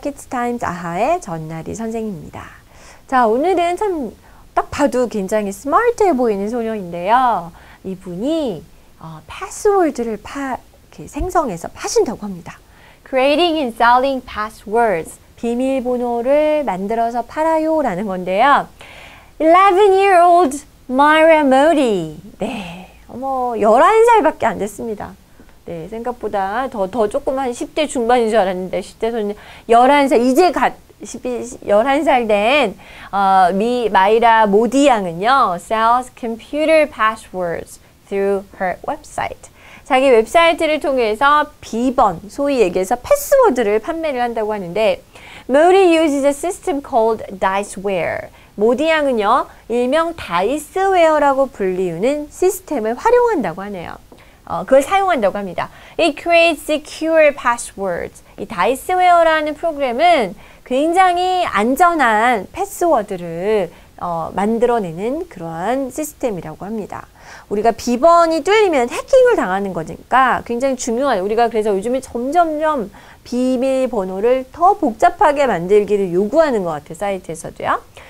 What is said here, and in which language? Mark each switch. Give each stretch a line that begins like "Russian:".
Korean: Kids Times 아하의 전나리 선생님입니다. 자, 오늘은 참 딱 봐도 굉장히 스마트해 보이는 소녀인데요. 이분이 패스워드를 이렇게 생성해서 파신다고 합니다.
English: Creating and selling passwords.
Korean: 비밀번호를 만들어서 팔아요 라는 건데요.
English: 11-year-old Myra Modi. 네.
Korean: 어머, 11살밖에 안 됐습니다. 네, 생각보다 더 조금 한 10대 중반인 줄 알았는데, 10대 소년, 11살, 이제 갓, 11살 된, 마이라 모디 양은요,
English: sells computer passwords through her website.
Korean: 자기 웹사이트를 통해서 비번, 소위 얘기해서 패스워드를 판매를 한다고 하는데,
English: Modi uses a system called Diceware.
Korean: 모디 양은요, 일명 다이스웨어라고 불리우는 시스템을 활용한다고 하네요. 그걸 사용한다고 합니다.
English: It creates secure passwords.
Korean: 이 다이스웨어라는 프로그램은 굉장히 안전한 패스워드를 만들어내는 그러한 시스템이라고 합니다. 우리가 비번이 뚫리면 해킹을 당하는 거니까 굉장히 중요한, 우리가 그래서 요즘에 점점점 비밀번호를 더 복잡하게 만들기를 요구하는 것 같아요, 사이트에서도요.